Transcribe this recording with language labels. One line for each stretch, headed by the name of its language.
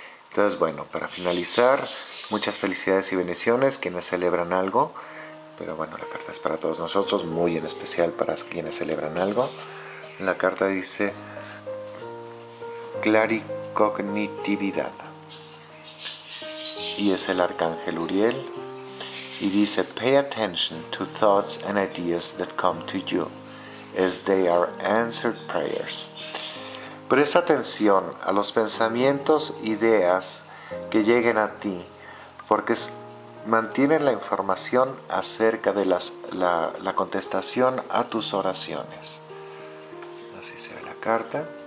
Spanish: Entonces, bueno, para finalizar, muchas felicidades y bendiciones quienes celebran algo. Pero bueno, la carta es para todos nosotros, muy en especial para quienes celebran algo. La carta dice claricognitividad. Y es el arcángel Uriel. Y dice,
English: pay attention to thoughts and ideas that come to you, as they are answered prayers.
Spanish: Presta atención a los pensamientos, ideas que lleguen a ti, porque mantienen la información acerca de la contestación a tus oraciones. Así se ve la carta.